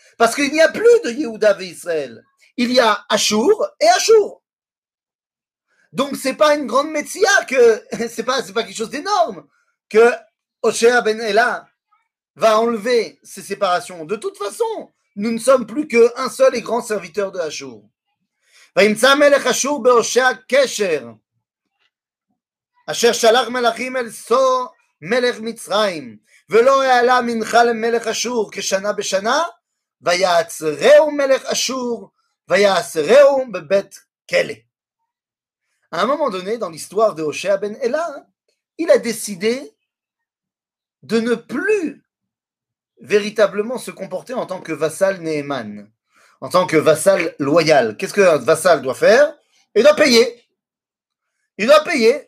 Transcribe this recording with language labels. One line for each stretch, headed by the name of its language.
French: Parce qu'il n'y a plus de Yehuda et Israël. Il y a Ashour et Ashour. Donc, ce n'est pas une grande métia, que c'est pas quelque chose d'énorme que Hoshéa ben Ela va enlever ces séparations. De toute façon, nous ne sommes plus qu'un seul et grand serviteur de Ashour.
Hebrew: וימצא מלך אשור בהושע קשר אשר שלח מלאכים אל סו מלך מצרים ולא העלה מנחה למלך אשור כשנה בשנה ויעצרהו מלך אשור ויעצרהו בבית כלא.
French: À un moment donné dans l'histoire de Hoshéa ben Ela, il a décidé de ne plus véritablement se comporter en tant que vassal Néhéman. En tant que vassal loyal, qu'est-ce qu'un vassal doit faire ? Il doit payer. Il doit payer.